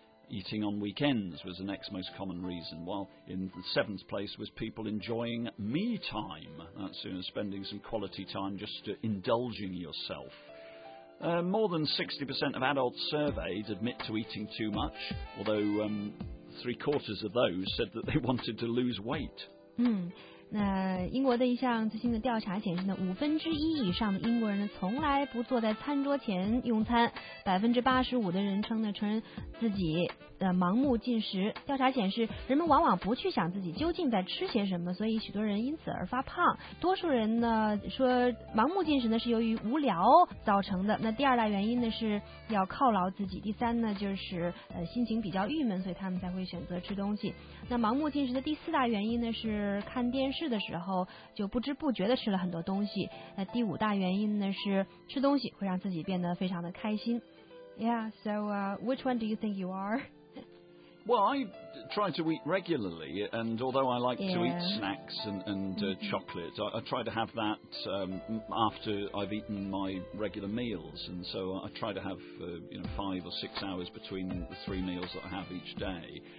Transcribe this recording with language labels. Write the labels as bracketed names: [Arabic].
[English] Eating on weekends was the next most common reason, while in the seventh place was people enjoying me time. That's, you know, spending some quality time just indulging yourself. More than 60% of adults surveyed admit to eating too much, although three quarters of those said that they wanted to lose weight. Hmm. [Chinese] 那英国的一项最新的调查显示呢，五分之一以上的英国人呢从来不坐在餐桌前用餐，85%的人称呢承认自己盲目进食。调查显示，人们往往不去想自己究竟在吃些什么，所以许多人因此而发胖。多数人呢说盲目进食呢是由于无聊造成的。那第二大原因呢是要犒劳自己，第三呢就是心情比较郁闷，所以他们才会选择吃东西。那盲目进食的第四大原因呢是看电视的时候就不知不觉地吃了很多东西。那第五大原因呢是吃东西会让自己变得非常的开心。 [English] Yeah, so which one do you think you are? Well, I try to eat regularly, and although I like to eat snacks and chocolate, I try to have that after I've eaten my regular meals, and so I try to have five or six hours between the three meals that I have each day.